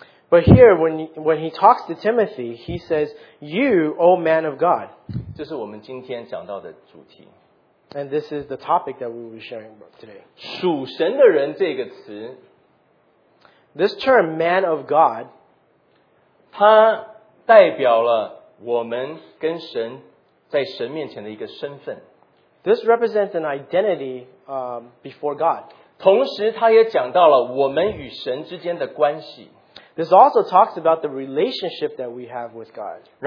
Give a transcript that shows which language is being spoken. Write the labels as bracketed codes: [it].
[en] But here, when he talks to Timothy, he says, "You, O man of God." [zh] 这是我们今天讲到的主题. [en] And this is the topic that we will be sharing today. [zh] 属神的人这个词, [en] this term, "man of God," [zh] 它代表了我们跟神在神面前的一个身份. [en] This represents an identity before God. [zh] 同时，它也讲到了我们与神之间的关系. [en] This also talks about the relationship that we have with God.